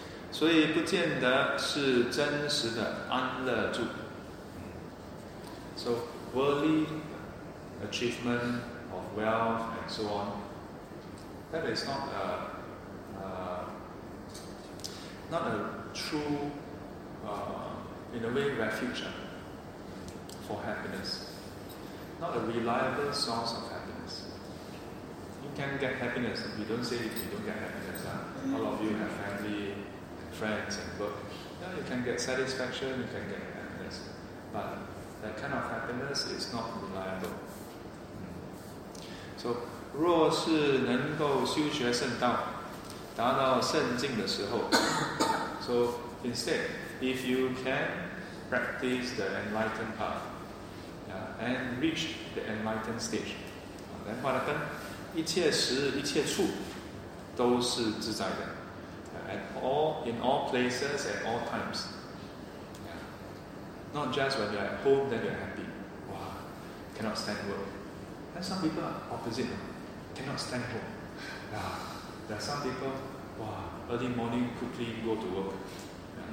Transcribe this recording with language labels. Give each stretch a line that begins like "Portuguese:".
Chinese: 所以不见得是真实的安乐住。
English: So worldly achievement of wealth and so on, that is not a true, in a way, refuge for happiness. Not a reliable source of happiness. Can get happiness. We don't say if you don't get happiness. All of you have family, and friends, and work. Yeah, you can get satisfaction. You can get happiness, but that kind of happiness is not reliable. So,
Chinese: 若是能够修学圣道，达到圣境的时候，
English: So instead, if you can practice the enlightened path, yeah, and reach the enlightened stage, then what happen?
Chinese: 一切时一切处都是自在的。
English: In all places, at all times. Yeah. Not just when you're at home, then you're happy. Wow, cannot stand work. And some people are opposite. Cannot stand home. Yeah. There are some people, wow, early morning, quickly go to work. Yeah.